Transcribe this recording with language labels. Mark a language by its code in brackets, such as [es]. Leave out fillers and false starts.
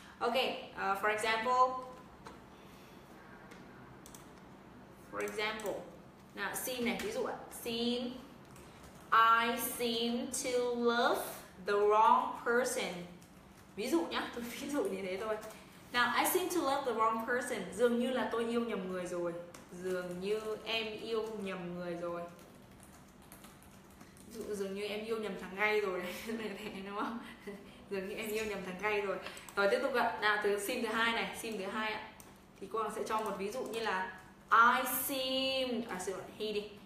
[en] Ok, for example. For example. [vi] Nào, seem này, ví dụ ạ. Seem. [en] I seem to love the wrong person. [vi] Ví dụ nhá, tôi ví dụ như thế thôi. [en] Now, I seem to love the wrong person. [vi] Dường như là tôi yêu nhầm người rồi. Dường như em yêu nhầm người rồi. Dường như em yêu nhầm thằng gay rồi. Đúng không? Dường như em yêu nhầm thằng gay rồi. Rồi tiếp tục ạ. Nào, từ seem thứ hai này, seem thứ hai ạ. Thì cô Hoàng sẽ cho một ví dụ như là I seem, à xin lỗi, he đi.